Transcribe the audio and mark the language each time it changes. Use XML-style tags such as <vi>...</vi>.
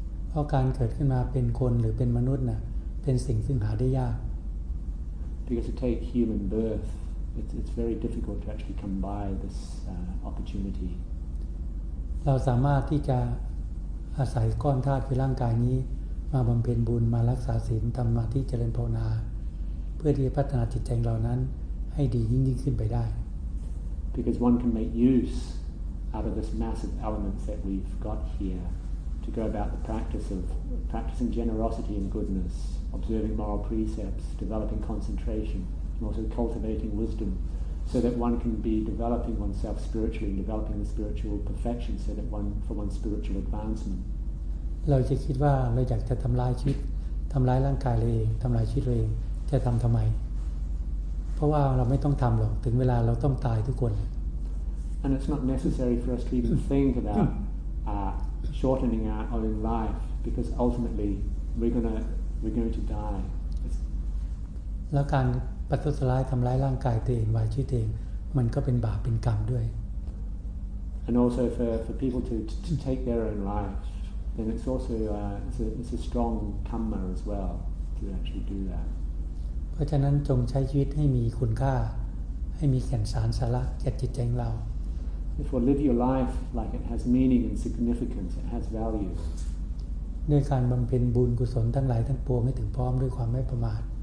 <th>เพราะการเกิดขึ้นมาเป็นคนหรือเป็นมนุษย์น่ะเป็นสิ่งซึ่งหาได้ยาก</th> <en>Because to take human birthIt's very difficult to actually come by this opportunity.</en> <th>เราสามารถที่จะอาศัยก้อนธาตุคือร่างกายนี้มาบำเพ็ญบุญมารักษาศีลทำมาที่เจริญภาวนาเพื่อที่จะพัฒนาจิตใจเรานั้นให้ดียิ่งขึ้นไปได้</th> <en>Because one can make use out of this massive element that we've got here to go about the practice of practicing generosity and goodness, observing moral precepts, developing concentration. And also cultivating wisdom, so that one can be developing oneself spiritually and developing the spiritual perfection, so that one for one's spiritual advancement.</en> <th>เราจะคิดว่าเราอยากจะทำลายชีวิตทำลายร่างกายเราเองทำลายชีวิตเราเองจะทำทำไมเพราะว่าเราไม่ต้องทำหรอกถึงเวลาเราต้องตายทุกคน</th> <en>And it's not necessary for us to even think about shortening our own life because ultimately we're going to die.</en> <th>แล้วการประทุษร้ายทำร้ายร่างกายตัวเองวายชีวิตเองมันก็เป็นบาปเป็นกรรมด้วย</th> <en>And also for people to take their own life then it's also it's a strong karma as well to actually do that</en> <th>เพราะฉะนั้นจงใช้ชีวิตให้มีคุณค่าให้มีแก่นสารสาระแก่จิตใจเรา</th> <en>If we live your life like it has meaning and significance it has value</en> <th>ด้วยการบำเพ็ญบุญกุศลทั้งหลายทั้งปวงให้ถึงพร้อมด้วยความไม่ประมาท</th>